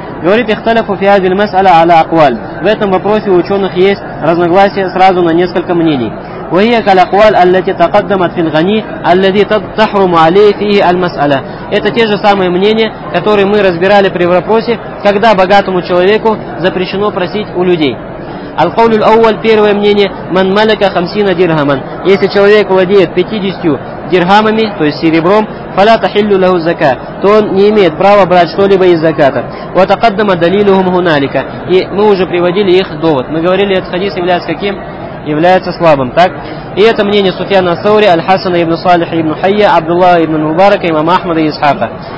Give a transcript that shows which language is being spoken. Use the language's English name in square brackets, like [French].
[Russian] Говорит, [Arabic] ихталяфу фи хазиль мас'ала аля акваль. [Russian] В этом вопросе у ученых есть разногласия сразу на несколько мнений. [Arabic] وَهِيَ كَالْأَقْوَالِ الَّتِي تَقَدَّمَتْ فِي الْغَنِيِّ الَّذِي تَحْرُمُ عَلَيْهِ فِيهِ الْمَسْأَلَةُ. [Russian] Это те же самые мнения, которые мы разбирали при вопросе, когда богатому человеку запрещено просить у людей. [Arabic] الْقَوْلُ الْأَوَّلُ, [Russian] первое мнение, [Arabic] مَنْ مَلَكَ خَمْسِينَ دِرْهَمًا. [Russian] Если человек владеет 50 дирхамами, то есть серебром, [Arabic] فَلَا تَحِلُّ لَهُ الزَّكَاةُ, [Russian] то он не имеет права брать что-либо из заката. [Arabic] وَتَقَدَّمَ دَلِيلُهُمْ هُنَالِكَ. [Russian] И мы уже приводили их довод. Мы говорили, этот хадис является каким? Является слабым, так? И это мнение Суфьяна ас-Саури, Аль-Хасана ибн Салиха ибн Хайя, Абдуллаха ибн Мубарака, имама Ахмада и Исхака.